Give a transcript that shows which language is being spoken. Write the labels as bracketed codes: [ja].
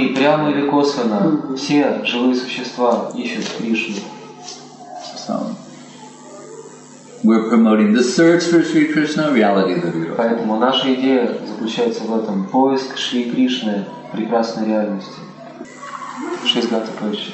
[ru] И прямо или косвенно все живые существа ищут Кришну. So. [en] We're promoting the search for Sri Krishna, reality of the beautiful. [ru] Поэтому наша идея заключается в этом поиск Шри Кришны, прекрасной реальности. Шесть гатапачи.